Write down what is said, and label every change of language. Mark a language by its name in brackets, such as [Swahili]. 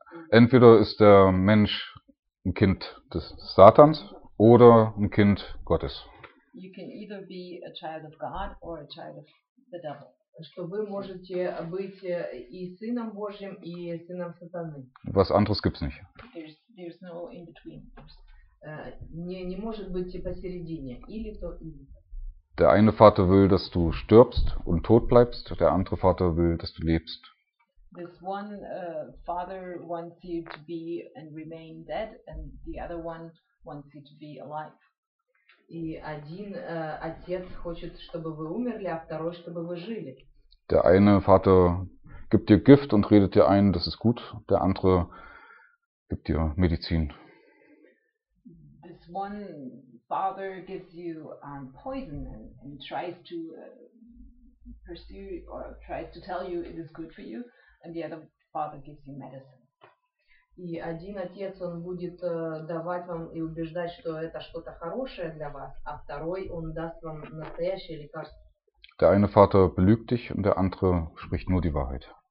[German] Entweder ist der Mensch ein Kind des Satans oder ein Kind Gottes. [English] You can either be a child of God or a child of the devil. [Russian] Что вы можете быть и сыном Божьим, и сыном сатаны. [German] Was anderes gibt's nicht. [English] There's no in between. [Russian] Не может быть и посередине, или то, или. [German] Der eine Vater will, dass du stirbst und tot bleibst, der andere Vater will, dass du lebst. [English] This one father wants you to be and remain dead, and the other one wants you to be alive. [Russian] И один отец хочет, чтобы вы умерли, а второй, чтобы вы жили. [German] Der eine Vater gibt dir Gift und redet dir ein, das ist gut. Der andere gibt dir Medizin. [English] This one father gives you poison and tries to pursue or tries to tell you it is good for you, and the other father gives you medicine. [Russian] И один отец, он будет давать вам и убеждать, что это что-то хорошее для вас, а второй, он даст вам настоящее лекарство. [German] Der eine Vater belügt dich und der andere spricht nur die Wahrheit.